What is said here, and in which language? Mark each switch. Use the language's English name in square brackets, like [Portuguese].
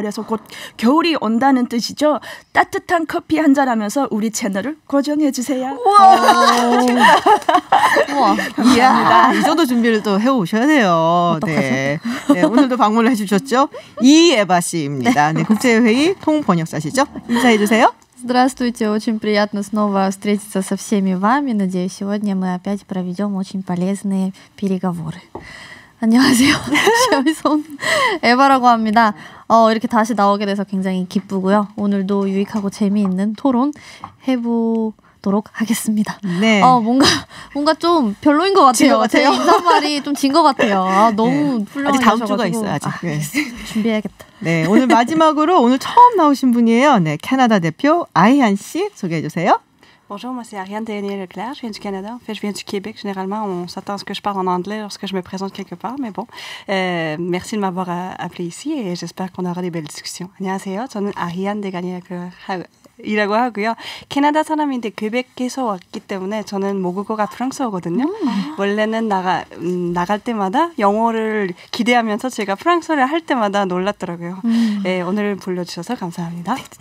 [Korean] 그래서 곧 겨울이 온다는 뜻이죠. 따뜻한 커피 한 잔하면서 우리 채널을 고정해 주세요. 우와. 감사합니다. 이 정도 준비를 또 해오셔야 돼요. 어떡하죠? 네. 오늘도 방문을 해주셨죠. 이 에바 씨입니다. 네, 국제회의 통번역사시죠. 인사해 주세요. [Russian] Здравствуйте, очень приятно снова встретиться со всеми вами. Надеюсь, сегодня мы опять проведем очень полезные переговоры. [Korean] 안녕하세요. 샤미송 에바라고 합니다. 이렇게 다시 나오게 돼서 굉장히 기쁘고요. 오늘도 유익하고 재미있는 토론 해보도록 하겠습니다. 네. 뭔가 좀 별로인 것 같아요. 제 인사말이 좀 진 것 같아요. 너무 훌륭하셔가지고. 아직 다음 주가 있어요. 아직. 네. 준비해야겠다. 네. 오늘 마지막으로 오늘 처음 나오신 분이에요. 네. 캐나다 대표 아이안 씨 소개해 주세요. [French] Bonjour, moi c'est Ariane Daniel-Leclerc, je viens du Canada. En fait, je viens du Québec. Généralement, on s'attend à ce que je parle en anglais lorsque je me présente quelque part, mais bon. Merci de m'avoir appelé ici et j'espère qu'on aura des belles discussions. [Korean] 안녕하세요, 저는 아리안 데가니엘 클레어. 이라고 하고요. 캐나다 사람인데 퀘벡에서 왔기 때문에 저는 모국어가 프랑스어거든요. 원래는 나갈 때마다 영어를 기대하면서 제가 프랑스어를 할 때마다 놀랐더라고요. 네, 오늘 불러주셔서 감사합니다.